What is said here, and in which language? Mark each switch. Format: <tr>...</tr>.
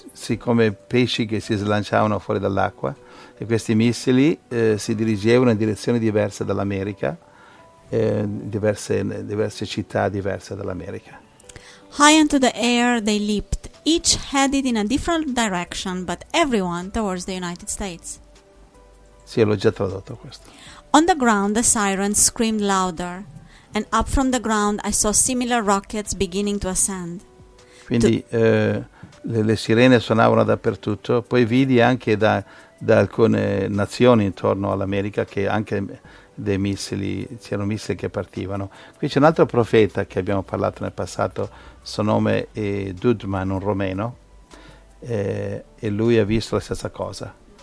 <it>Sì, come pesci che si slanciavano fuori dall'acqua. E questi missili si dirigevano in direzioni diverse dall'America, diverse città diverse dall'America.</it> <en>High into the air they leaped, each headed in a different direction, but everyone towards the United States.</en> <it>Sì, l'ho già tradotto questo.</it> <en>On the ground the sirens screamed louder, and up from the ground I saw similar rockets beginning to ascend.</en> <it>Quindi le sirene suonavano dappertutto, poi vidi anche da alcune nazioni intorno all'America che anche dei missili, c'erano missili che partivano. Qui c'è un altro profeta che abbiamo parlato nel passato, suo nome è Dudman, un romeno, e lui ha visto la stessa cosa.</it>